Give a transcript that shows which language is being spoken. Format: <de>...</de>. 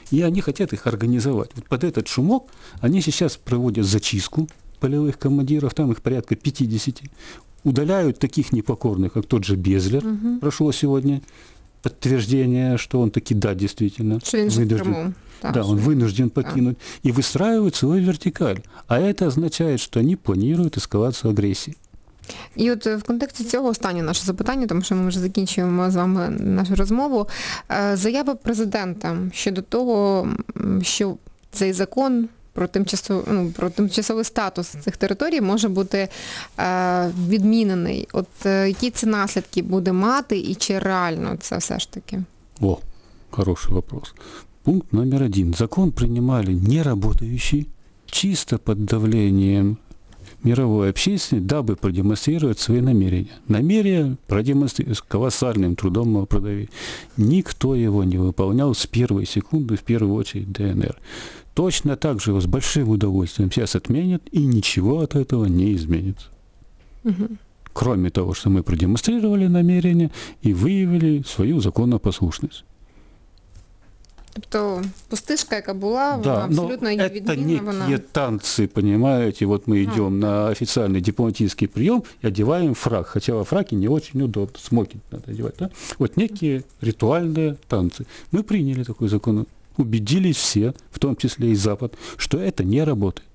<ru>И они хотят их организовать. Вот под этот шумок они сейчас проводят зачистку полевых командиров, там их порядка 50. Удаляют таких непокорных, как тот же Безлер, угу. Прошло сегодня подтверждение, что он таки, да, действительно, вынужден, да, он вынужден покинуть, да. И выстраивают свою вертикаль. А это означает, что они планируют эскалацию агрессии.</ru> <uk>І от в контексті цього останнє наше запитання, тому що ми вже закінчуємо з вами нашу розмову, заява президента щодо того, що цей закон про тимчасовий, ну, про тимчасовий статус цих територій може бути відмінений. От які це наслідки буде мати і чи реально це все ж таки?</uk> <ru>О, хороший вопрос. Пункт номер один.</ru> <uk>Закон приймали не працюючі,</uk> <ru>чисто під давлением мировой общественности, дабы продемонстрировать свои намерения. Намерения продемонстрировать, с колоссальным трудом его продавить. Никто его не выполнял с первой секунды, в первую очередь ДНР. Точно так же его с большим удовольствием сейчас отменят, и ничего от этого не изменится. Угу. Кроме того, что мы продемонстрировали намерения и выявили свою законопослушность.</ru> <uk>Тобто пустышка, яка була, вона, да, абсолютно не відмінна. Це не танці, розумієте, от ми йдемо на офіційний дипломатичний прийом і одягаємо фрак, хоча в фракі не дуже удобно, смокінг треба одягати. Да? От некі ритуальні танці. Ми прийняли такий закон, убедились всі, в тому числі і Запад, що це не працює.</uk>